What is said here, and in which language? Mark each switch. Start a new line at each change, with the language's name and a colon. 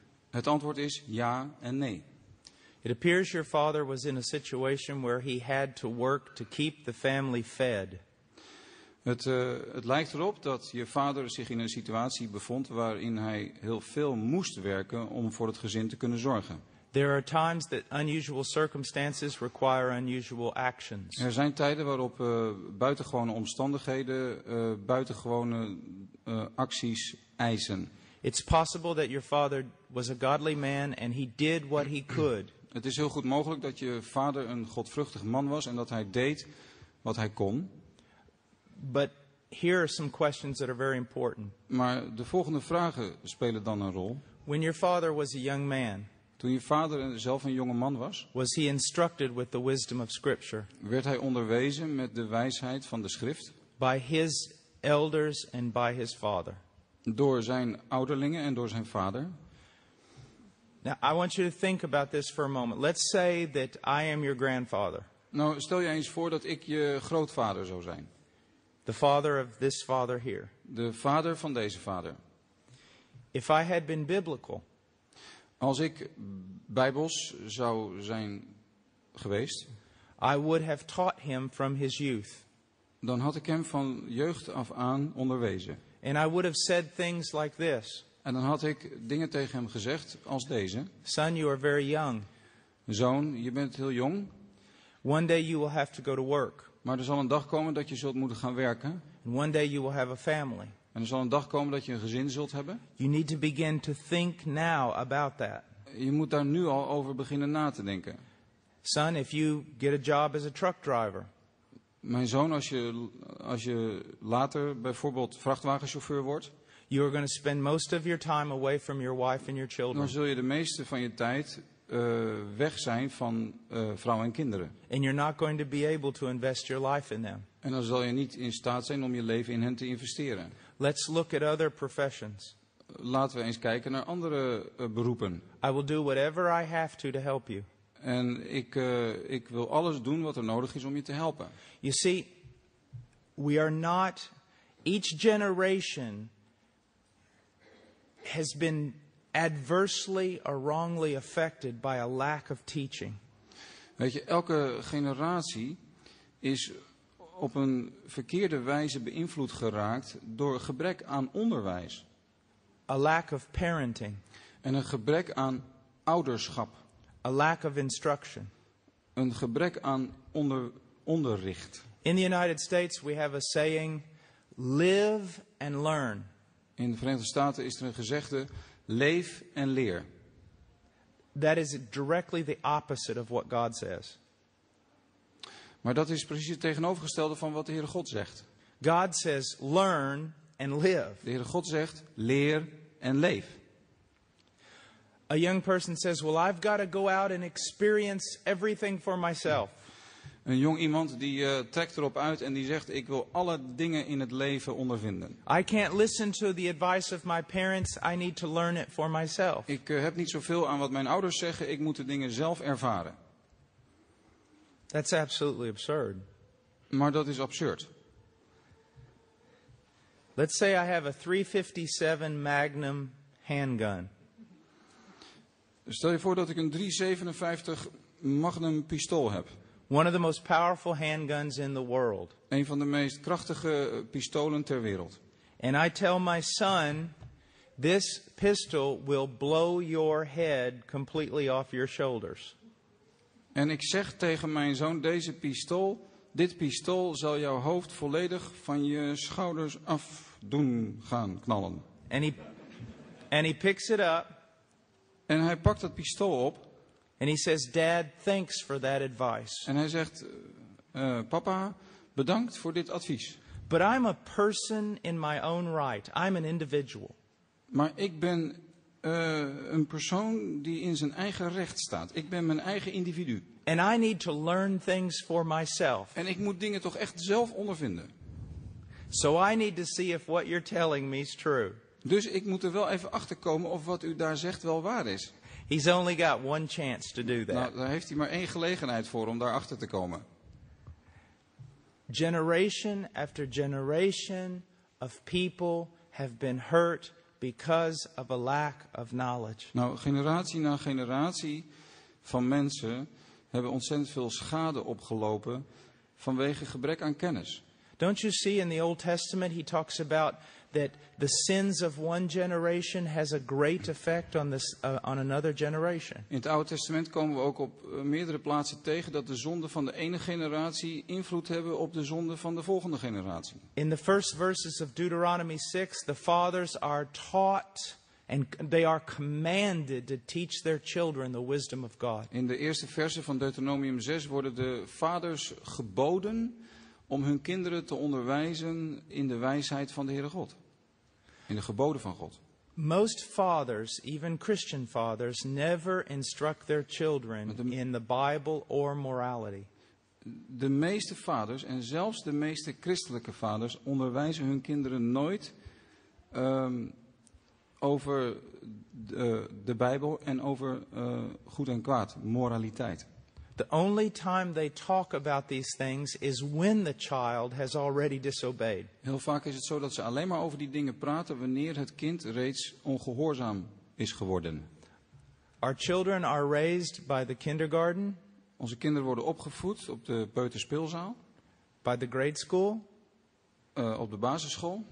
Dutch: Het antwoord is ja en nee.
English: It appears your father was in a situation where he had to work to keep the family fed.
Dutch: Het lijkt erop dat je vader zich in een situatie bevond waarin hij heel veel moest werken om voor het gezin te kunnen zorgen.
English: There are times that unusual circumstances require unusual actions.
Dutch: Er zijn tijden waarop buitengewone omstandigheden buitengewone acties eisen.
English: It's possible that your father was a godly man and he did what he could.
Dutch: Het is heel goed mogelijk dat je vader een godvruchtig man was en dat hij deed wat hij kon.
English: But here are some questions that are very important.
Dutch: Maar de volgende vragen spelen dan een rol.
English: When your father was a young man,
Dutch: toen je vader zelf een jonge man
English: was he instructed with the wisdom of scripture?
Dutch: Werd hij onderwezen met de wijsheid van de schrift?
English: By his elders and by his father.
Dutch: Door zijn ouderlingen en door zijn vader.
English: Now I want you to think about this for a moment. Let's say that I am your grandfather.
Dutch: Nou, stel je eens voor dat ik je grootvader zou zijn.
English: The father of this father here.
Dutch: De vader van deze vader.
English: If I had been biblical.
Dutch: Als ik bijbels zou zijn geweest.
English: I would have taught him from his youth.
Dutch: Dan had ik hem van jeugd af aan onderwezen.
English: And I would have said things like this.
Dutch: En dan had ik dingen tegen hem gezegd als deze.
English: Son, you are very young.
Dutch: Zoon, je bent heel jong.
English: One day you will have to go to work.
Dutch: Maar er zal een dag komen dat je zult moeten gaan werken.
English: And one day you will have a family.
Dutch: En er zal een dag komen dat je een gezin zult hebben.
English: You need to begin to think now about that.
Dutch: Je moet daar nu al over beginnen na te denken.
English: Son, if you get a job as a truck driver.
Dutch: Mijn zoon, als je later bijvoorbeeld vrachtwagenchauffeur wordt.
English: You are going to spend most of your time away from your wife and your children.
Dutch: Dan zul je de meeste van je tijd weg zijn van vrouw en kinderen.
English: And you're not going to be able to invest your life in them.
Dutch: En dan zal je niet in staat zijn om je leven in hen te investeren.
English: Let's look at other professions.
Dutch: Laten we eens kijken naar andere beroepen.
English: I will do whatever I have to help you.
Dutch: En ik wil alles doen wat er nodig is om je te helpen.
English: You see, we are not each generation has been adversely or wrongly affected by a lack of teaching.
Dutch: Weet je, elke generatie is op een verkeerde wijze beïnvloed geraakt door gebrek aan onderwijs.
English: A lack of parenting.
Dutch: En een gebrek aan ouderschap.
English: A lack of instruction.
Dutch: Een gebrek aan onderricht.
English: In the United States we have a saying, live and learn.
Dutch: In de Verenigde Staten is er een gezegde, leef en leer.
English: That is directly the opposite of what God says.
Dutch: Maar dat is precies het tegenovergestelde van wat de Heere God zegt.
English: God says, learn and live.
Dutch: De Heere God zegt, leer en leef.
English: A young person says, well, I've got to go out and experience everything for myself.
Dutch: Een jong iemand die trekt erop uit en die zegt, ik wil alle dingen in het leven ondervinden.
English: I can't listen to the advice of my parents, I need to learn it for myself.
Dutch: Ik heb niet zoveel aan wat mijn ouders zeggen, ik moet de dingen zelf ervaren.
English: That's absolutely absurd.
Dutch: Maar dat is absurd.
English: Let's say I have a 357 Magnum handgun.
Dutch: Stel je voor dat ik een 357 Magnum pistool heb.
English: One of the most powerful handguns in the world.
Dutch: Een van de meest krachtige pistolen ter wereld.
English: And I tell my son, this pistol will blow your head completely off your shoulders.
Dutch: En ik zeg tegen mijn zoon, dit pistool zal jouw hoofd volledig van je schouders af doen gaan knallen.
English: And he picks it up.
Dutch: En hij pakt dat pistool op.
English: And he says, Dad, thanks for that advice.
Dutch: En hij zegt, papa, bedankt voor dit advies.
English: But I'm a person in my own right. I'm an individual.
Dutch: Maar ik ben een persoon die in zijn eigen recht staat. Ik ben mijn eigen individu.
English: And I need to learn things for myself.
Dutch: En ik moet dingen toch echt zelf ondervinden.
English: So I need to see if what you're telling me is true.
Dutch: Dus ik moet er wel even achter komen of wat u daar zegt wel waar is.
English: He's only got one chance to do that.
Dutch: Nou, daar heeft hij maar één gelegenheid voor om daar achter te komen.
English: Generation after generation of people have been hurt because of a lack of knowledge.
Dutch: Nou, generatie na generatie van mensen hebben ontzettend veel schade opgelopen vanwege gebrek aan kennis.
English: Don't you see in the Old Testament he talks about that the sins of one generation has a great effect on this on another generation.
Dutch: In het Oude Testament komen we ook op meerdere plaatsen tegen dat de zonden van de ene generatie invloed hebben op de zonden van de volgende generatie.
English: In the first verses of Deuteronomy 6, the fathers are taught and they are commanded to teach their children the wisdom of God.
Dutch: In de eerste verse van Deuteronomium 6 worden de vaders geboden om hun kinderen te onderwijzen in de wijsheid van de Heere God. In de geboden van God.
English: Most fathers, even Christian fathers, never instruct their children in the Bible or morality.
Dutch: De meeste vaders, en zelfs de meeste christelijke vaders, onderwijzen hun kinderen nooit over de Bijbel en over goed en kwaad, moraliteit.
English: The only time they talk about these things is when the child has already disobeyed.
Dutch: Heel vaak is het zo dat ze alleen maar over die dingen praten wanneer het kind reeds ongehoorzaam is geworden.
English: Our children are raised by the kindergarten.
Dutch: Onze kinderen worden opgevoed op de peuterspeelzaal.
English: By the grade school.
Dutch: Op de basisschool.